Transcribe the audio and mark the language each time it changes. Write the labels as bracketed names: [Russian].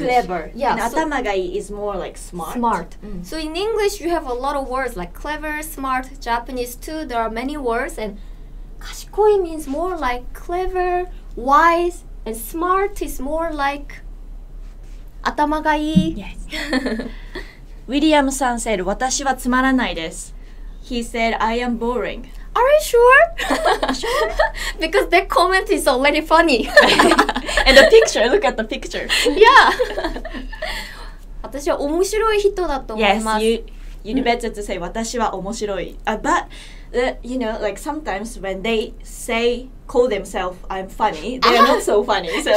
[English] Clever. Yeah. And 頭がいい is more like smart. Smart. So in English, you have a lot of words like clever, smart, Japanese too. There are many words. And 賢い means more like clever, wise, and smart is more like... [Japanese] 頭がいい。 [English] Yes. [Japanese] ウィリアムさん said, 私はつまらないです。 [English] He said, I am boring. Are you sure? Because that comment is already funny. And the picture, look at the picture. Yeah. [Japanese] 私は面白い人だと思います。 [English] Yes, you better to say, [Japanese] 私は面白い。 [English] But, you know, like sometimes when they say,call themselves I'm funny they're not so funny so